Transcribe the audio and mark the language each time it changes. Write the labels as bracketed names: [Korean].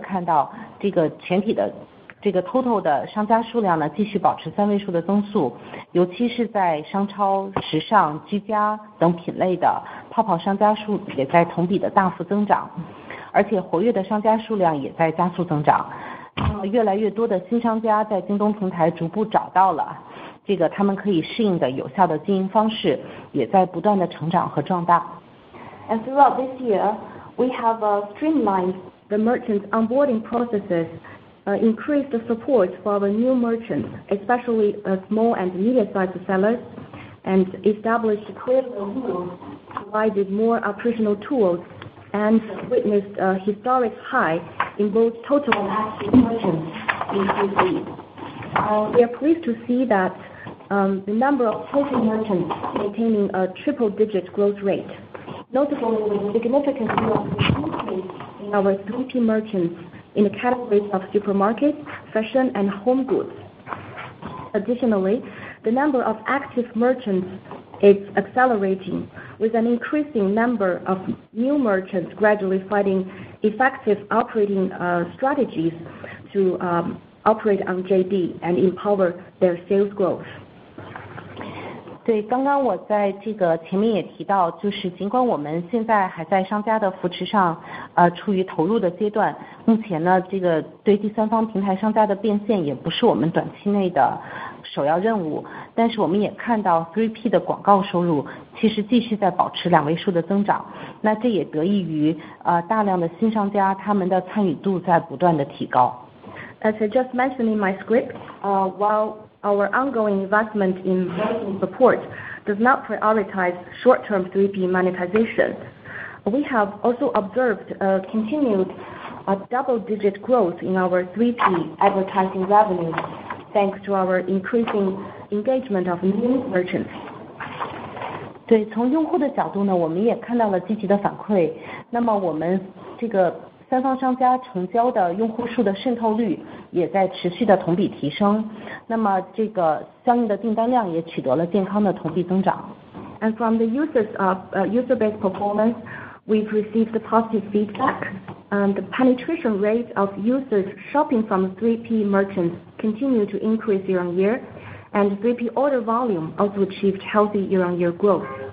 [Chinese] 那今年以来呢，我们也是重点简化了商家入驻的流程，加大了对新商家，尤其是中小商家的扶持，制定了更加清晰的规则，也提供了更多的运营工具。那么这些呢，都带动了加入到京东平台上的这些商家数量和活跃商家数量都在三季度达到了历史的最高水平。那么我们也很高兴的看到这个全体的。这个 total 的商家数量呢继续保持三位数的增速，尤其是在商超、时尚、居家等品类的泡泡商家数也在同比的大幅增长，而且活跃的商家数量也在加速增长。越来越多的新商家在京东平台逐步找到了这个他们可以适应的有效的经营方式，也在不断的成长和壮大。 [English] And throughout this year, we have streamlined the merchants onboarding processes. Increased the support for our new merchants, especially small and medium-sized sellers, and established clear rules, provided more operational tools, and witnessed a historic high in both total and active merchants in Q3. We are pleased to see that the number of total merchants maintaining a triple-digit growth rate. Notably, with significant increase in our 3P merchants in the categories of supermarkets, fashion, and home goods. Additionally, the number of active merchants is accelerating, with an increasing number of new merchants gradually finding effective operating strategies to operate on JD and empower their sales growth. [Chinese] 对，刚刚我在这个前面也提到，就是尽管我们现在还在商家的扶持上，处于投入的阶段，目前呢，这个对第三方平台商家的变现也不是我们短期内的首要任务。但是我们也看到 3P 的广告收入其实继续在保持两位数的增长，那这也得益于大量的新商家他们的参与度在不断的提高。 [English] As I just mentioned in my script, our ongoing investment in merchant support does not prioritize short-term 3P monetization. We have also observed a continued double-digit growth in our 3P advertising revenue, thanks to our increasing engagement of new merchants. [Chinese] 对，从用户的角度呢，我们也看到了积极的反馈。那么我们这个三方商家成交的用户数的渗透率也在持续的同比提升，那么这个相应的订单量也取得了健康的同比增长。 [English] And from the users of user base performance, we've received the positive feedback. And the penetration rate of users shopping from 3P merchants continue to increase year on year, and 3P order volume also achieved healthy year on year growth.